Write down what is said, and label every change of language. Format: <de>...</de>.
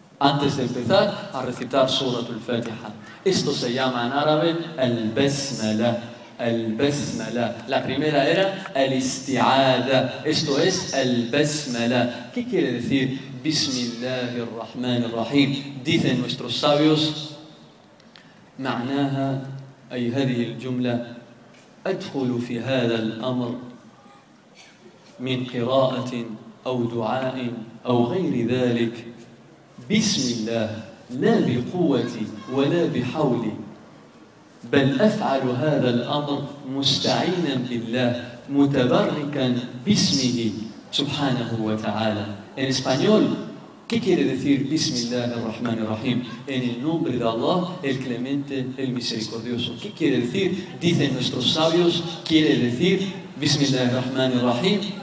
<es>Antes de empezar a recitar Suratul Fatiha. Esto se llama en árabe Al-Basmala. Al-Basmala. La primera era Al-Isti'ada. Esto es Al-Basmala. ¿Qué quiere decir Bismillahir Rahmanir Rahim? Dicen nuestros sabios:</es> <ar>معناها أي هذه الجملة أدخل في هذا الأمر من قراءة أو دعاء أو غير ذلك بسم الله لا بقوتي ولا بحولي بل أفعل هذا الأمر مستعينا بالله متبركا باسمه سبحانه وتعالى.</ar> <es>En español, ¿qué quiere decir Bismillah ar-Rahman ar-Rahim? En el nombre de Allah, el clemente, el misericordioso. ¿Qué quiere decir? Dicen nuestros sabios, quiere decir Bismillah ar-Rahman ar-Rahim.</es>